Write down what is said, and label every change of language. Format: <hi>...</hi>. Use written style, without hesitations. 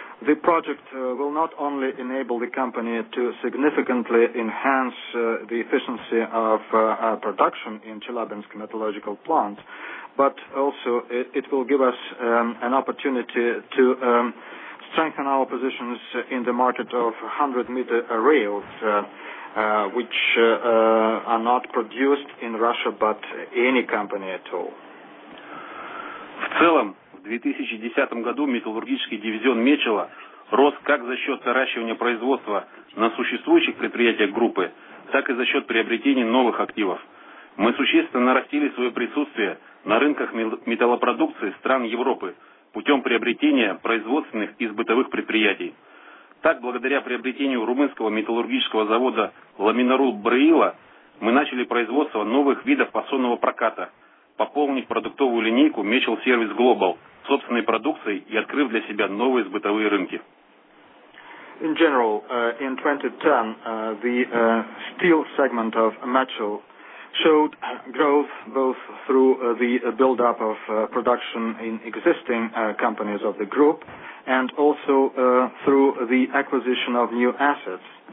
<en>The project will not only enable the company to significantly enhance the efficiency of production in Chelyabinsk metallurgical plant, but also it will give us an opportunity to strengthen our positions in the market of 100-meter rails, which are not produced in Russia, but any company at all.</en> <ru>В целом, в 2010 году металлургический дивизион Мечела рос как за счет наращивания производства на существующих предприятиях группы, так и за счет приобретения новых активов. Мы существенно нарастили свое присутствие на рынках металлопродукции стран Европы путем приобретения производственных и сбытовых предприятий. Так, благодаря приобретению румынского металлургического завода «Ламинарул Брейла», мы начали производство новых видов фасонного проката, пополнив продуктовую линейку Mechel Service Global собственной продукцией и открыв для себя новые сбытовые рынки.</ru> <en>In general, in 2010, the steel segment of Mechel showed growth both through the build-up of production in existing companies of the group and also through the acquisition of new assets.</en>